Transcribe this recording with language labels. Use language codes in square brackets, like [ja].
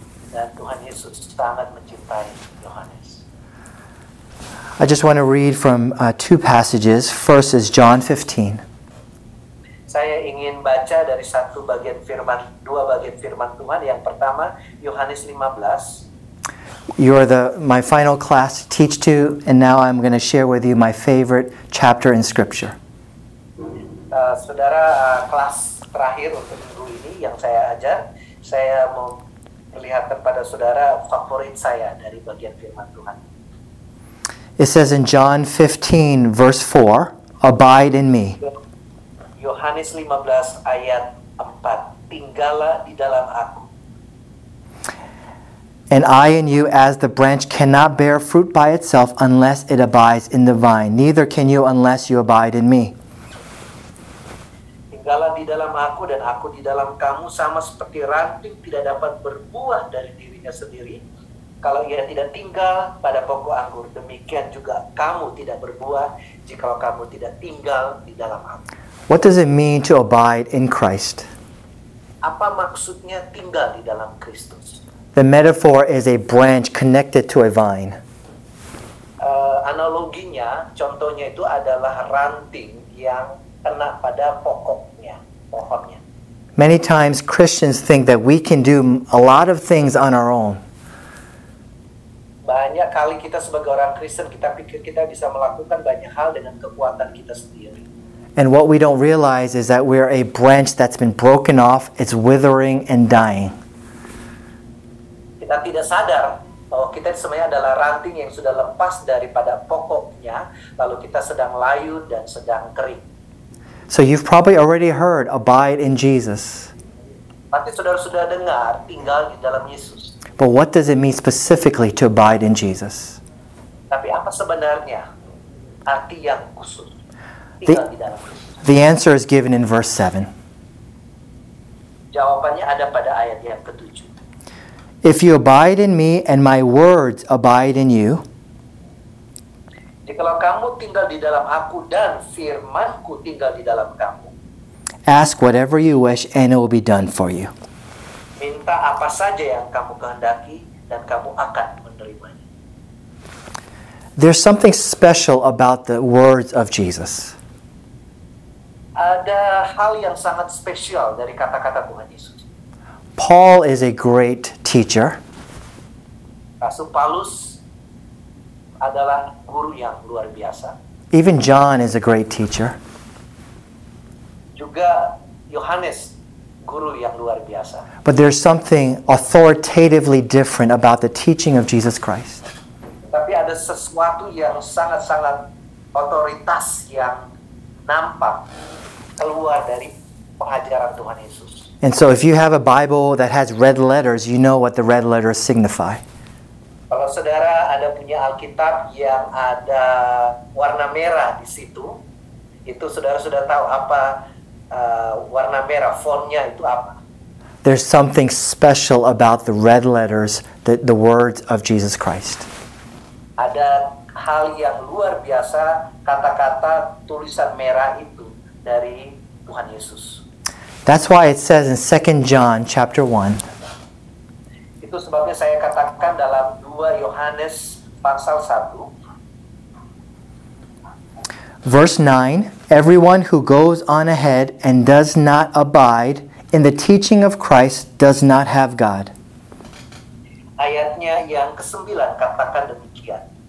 [id] Dan Tuhan Yesus sangat mencintai Yohanes. [en] I just want to read from two passages. First is John 15. [id] Saya ingin baca dari satu bagian firman, dua bagian firman Tuhan. Yang pertama, Yohanes 15. [en] You are my final class to teach to, and now I'm going to share with you my favorite chapter in Scripture. [id] Saudara, kelas terakhir untuk minggu ini yang saya ajar, saya mau perlihatkan pada saudara favorit saya dari bagian firman Tuhan. [en] It says in John 15, verse 4, abide in me. [id] Yohanes 15, ayat 4, tinggallah di dalam aku. [en] And I in you, as the branch cannot bear fruit by itself unless it abides in the vine. Neither can you unless you abide in me. [id] Tinggallah di dalam aku dan aku di dalam kamu, sama seperti ranting tidak dapat berbuah dari dirinya sendiri, kalau ia tidak tinggal pada pokok anggur, demikian juga kamu tidak berbuah jika kamu tidak tinggal di dalam aku. [en] What does it mean to abide in Christ? [id] Apa maksudnya tinggal di dalam Kristus? [en] The metaphor is a branch connected to a vine. [id] Analoginya, contohnya itu adalah ranting yang kena pada pokoknya, pohonnya. [en] Many times Christians think that we can do a lot of things on our own. [id] Banyak kali kita sebagai orang Kristen, kita pikir kita bisa melakukan banyak hal dengan kekuatan kita sendiri. [en] And what we don't realize is that we are a branch that's been broken off, it's withering and dying. [id] Kita tidak sadar bahwa kita sebenarnya adalah ranting yang sudah lepas daripada pokoknya, lalu kita sedang layu dan sedang kering. [en] So you've probably already heard, abide in Jesus. [id] Pasti saudara sudah dengar, tinggal di dalam Yesus. [en] But what does it mean specifically to abide in Jesus? [id] Tapi apa sebenarnya arti yang khusus tinggal di dalam Yesus? [en] The answer is given in verse 7. [id] Jawabannya ada pada ayat yang ke-7. [en] If you abide in me and my words abide in you, [id] jikalau kamu tinggal di dalam aku dan firman-Ku tinggal di dalam kamu, [en] ask whatever you wish and it will be done for you. [id] Minta apa saja yang kamu kehendaki dan kamu akan menerimanya. [en] There's something special about the words of Jesus. [id] Ada hal yang sangat spesial dari kata-kata Tuhan Yesus. [en] Paul is a great teacher. [id] Rasul Paulus adalah guru yang luar biasa. [en] Even John is a great teacher. [id] Juga Yohanes, guru yang luar biasa. [en] But there's something authoritatively different about the teaching of Jesus Christ. [id] Tapi ada sesuatu yang sangat-sangat otoritas yang nampak keluar dari pengajaran Tuhan Yesus. [en] And so if you have a Bible that has red letters, you know what the red letters signify. [id] Kalau saudara ada punya Alkitab yang ada warna merah di situ, itu saudara sudah tahu apa warna merah, fontnya itu apa. [en] There's something special about the red letters, the words of Jesus Christ. [id] Ada hal yang luar biasa, kata-kata tulisan merah itu dari Tuhan Yesus. [en] That's why it says in 2 John chapter 1. [id] Itu sebabnya saya katakan dalam 2 Yohanes pasal 1. [en] Verse 9, everyone who goes on ahead and does not abide in the teaching of Christ does not have God. [id] Ayatnya yang ke-9 katakan demikian.